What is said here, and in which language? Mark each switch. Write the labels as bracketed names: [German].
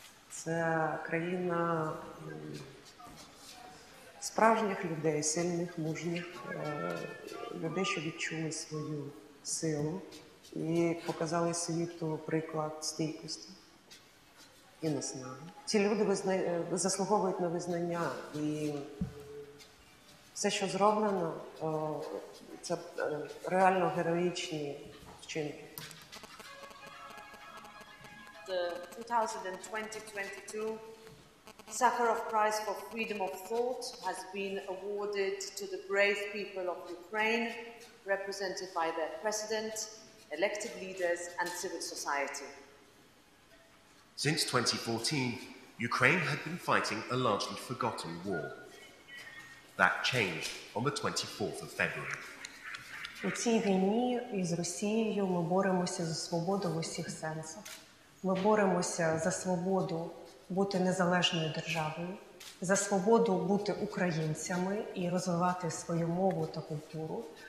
[Ukrainian] Це країна справжніх людей, сильних, мужніх, людей, що відчули свою силу і показали світу приклад стійкості. І не знаю. Ці люди заслуговують на визнання, і все, що зроблено, це реально героїчні вчинки. [English] The 2022 Sakharov Prize for Freedom of Thought has been awarded to the brave people of Ukraine, represented by their president, elected leaders and civil society. Since 2014, Ukraine had been fighting a largely forgotten war. That changed on the 24th of February. [Ukrainian] У цій війні із Росією ми боремося за свободу в усіх сенсах. Ми боремося за свободу бути незалежною державою, за свободу бути українцями і розвивати свою мову та культуру.